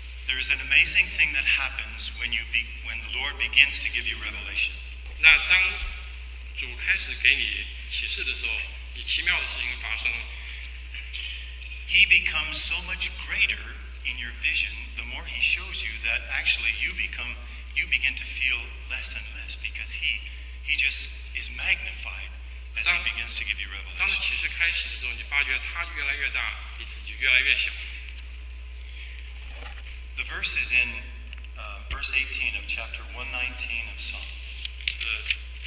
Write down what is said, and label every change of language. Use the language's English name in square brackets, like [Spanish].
[English] There is an amazing thing that happens when the Lord begins to give you revelation. [Chinese] 那当主开始给你启示的时候，有奇妙的事情发生。He [English] becomes so much greater in your vision the more he shows you that actually you begin to feel less and less because he just is magnified as he begins to give you revelation. [Chinese] 当启示开始的时候，你发觉他越来越大，你自己越来越小。 [English] The verse is in verse 18 of chapter 119 of Psalm.